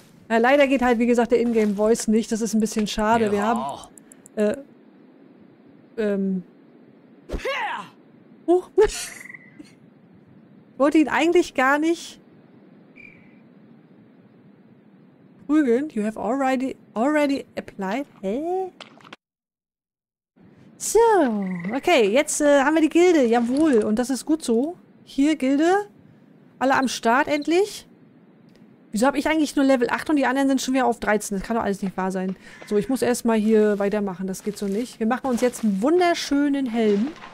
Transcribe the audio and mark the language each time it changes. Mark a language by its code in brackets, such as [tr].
[de] Ja, leider geht halt, wie gesagt, der Ingame-Voice nicht. Das ist ein bisschen schade. Ja. Wir haben... wollte ihn eigentlich gar nicht... prügeln. [en] You have already applied? Hä? [de] So, okay, jetzt haben wir die Gilde. Jawohl, und das ist gut so. Hier, Gilde. Alle am Start endlich. Wieso habe ich eigentlich nur Level 8 und die anderen sind schon wieder auf 13? Das kann doch alles nicht wahr sein. So, ich muss erstmal hier weitermachen. Das geht so nicht. Wir machen uns jetzt einen wunderschönen Helm.